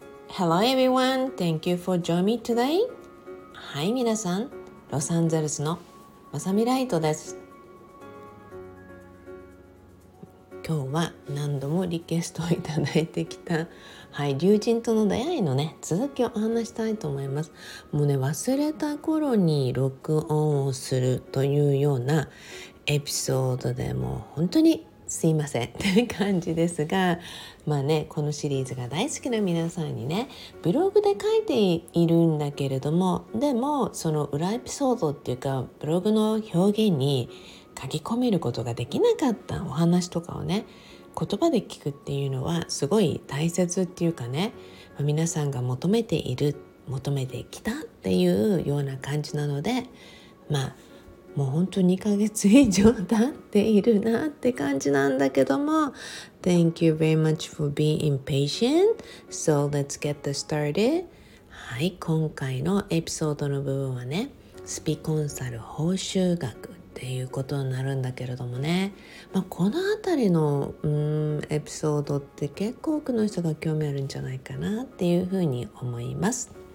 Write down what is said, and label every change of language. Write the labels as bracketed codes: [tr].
[en] Hello everyone, thank you for joining me today. [ja] はい、皆さん、ロサンゼルスのまさみライトです。今日は何度もリクエストをいただいてきた、はい、竜人との出会いのね、続きをお話したいと思います。もうね、忘れた頃に録音をするというようなエピソードでも本当にすいませんって感じですが、まあね、このシリーズが大好きな皆さんにね、ブログで書いているんだけれども、でもその裏エピソードっていうか、ブログの表現に書き込めることができなかったお話とかをね、言葉で聞くっていうのはすごい大切っていうかね、皆さんが求めている、求めてきたっていうような感じなので、まあもう本当に2ヶ月以上経っているなって感じなんだけども、 [en] Thank you very much for being patient. So let's get this started. [ja] はい、今回のエピソードの部分はね、スピコンサル報酬額っていうことになるんだけれどもね、まあ、このあたりのエピソードって結構多くの人が興味あるんじゃないかなっていうふうに思います。